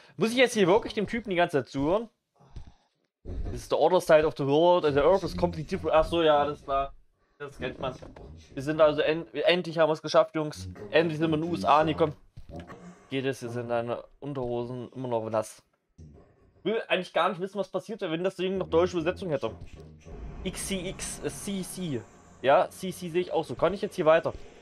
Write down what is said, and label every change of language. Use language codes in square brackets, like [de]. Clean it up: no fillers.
[de] Muss ich jetzt hier wirklich dem Typen die ganze Zeit zuhören? [en] This is the other side of the world and the earth is completely different. [de] Achso, ja, das war. Das kennt man. Wir sind also endlich haben wir es geschafft, Jungs. Endlich sind wir in den USA angekommen. Geht es, hier sind deine Unterhosen immer noch nass. Ich will eigentlich gar nicht wissen, was passiert wäre, wenn das Ding noch deutsche Übersetzung hätte. XCXCC. Ja, CC sehe ich auch so. Kann ich jetzt hier weiter?